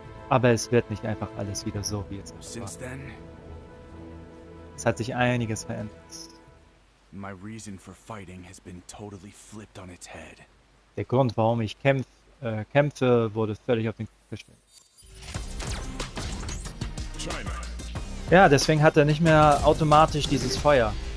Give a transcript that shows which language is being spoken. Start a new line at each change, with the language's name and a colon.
German: Aber es wird nicht einfach alles wieder so, wie es ist. Es hat sich einiges verändert.
English: My reason for fighting has been totally flipped on its head.
German: Der Grund, warum ich kämpfe, wurde völlig auf den Kopf gestellt. Ja, deswegen hat er nicht mehr automatisch dieses Feuer.